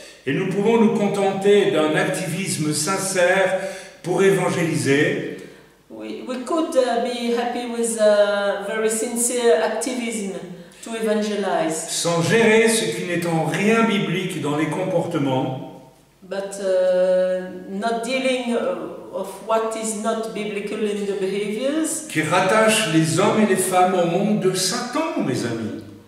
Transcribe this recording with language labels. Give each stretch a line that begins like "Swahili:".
French: Et nous pouvons nous contenter d'un activisme sincère pour évangéliser.
English: We could be happy with a very sincere activism. To evangelize.
French: Sans gérer ce qui n'est en rien biblique dans les comportements.
English: But not dealing of what is not biblical in the behaviors.
French: Qui rattache les hommes et les femmes au monde de Satan, mes amis.